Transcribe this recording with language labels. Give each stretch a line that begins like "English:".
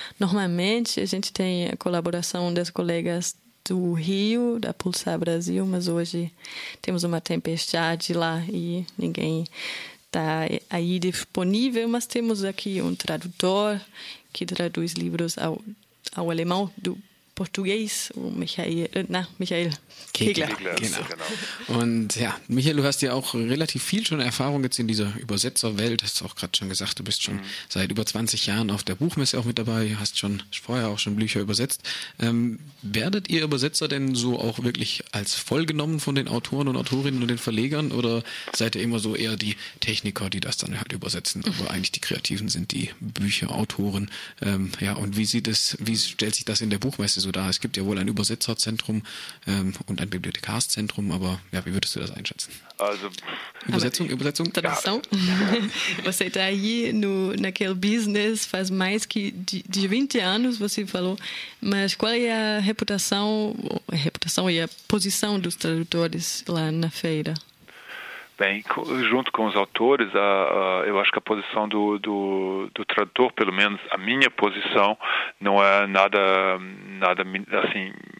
Portuguese: Normalmente a gente tem a colaboração das colegas do Rio, da Pulsar Brasil, mas hoje temos uma tempestade lá e ninguém está aí disponível, mas temos aqui tradutor que traduz livros ao alemão do português, o Michael Kegler.
German: Genau. Und ja, Michael, du hast ja auch relativ viel schon Erfahrung jetzt in dieser Übersetzerwelt, hast du auch gerade schon gesagt, du bist schon seit über 20 Jahren auf der Buchmesse auch mit dabei, hast schon vorher auch schon Bücher übersetzt. Werdet ihr Übersetzer denn so auch wirklich als vollgenommen von den Autoren und Autorinnen und den Verlegern oder seid ihr immer so eher die Techniker, die das dann halt übersetzen, aber eigentlich die Kreativen sind die Bücherautoren? Und wie stellt sich das in der Buchmesse so dar? Es gibt ja wohl ein Übersetzerzentrum und ein Bibliothekarszentrum, aber ja, wie würdest du das einschätzen? Also, Übersetzung?
Portuguese: Tradução? Ja. Você está aí naquele business faz mais que de 20 anos, você falou, mas qual é a reputação e a posição dos tradutores lá na feira? Bem, junto com os autores, eu acho que a posição do tradutor, pelo menos a minha posição, não é nada assim,